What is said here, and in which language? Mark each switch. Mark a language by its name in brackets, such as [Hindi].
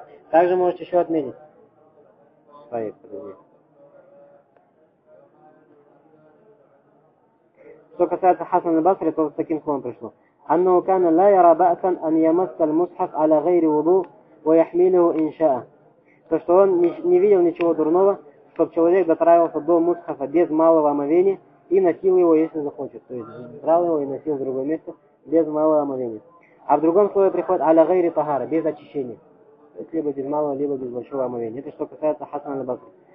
[Russian] Также можете еще отметить свои предложения. Что касается Хасана Басри, то с таким словом пришло. [Arabic] أنه كان لا يرى بأسا أن يمس المصحف على غير وضوء ويحمله إن شاء. [Russian] То что он не видел ничего дурного, чтобы человек дотравился до мусхафа без малого омовения и носил его, если захочет. То есть брал его и носил в другое место без малого омовения. А в другом слове приходит [Arabic] على غير طهارة, [Russian] без очищения. То есть либо без малого, либо без большого омовения. Это что касается Хасана аль-Басри.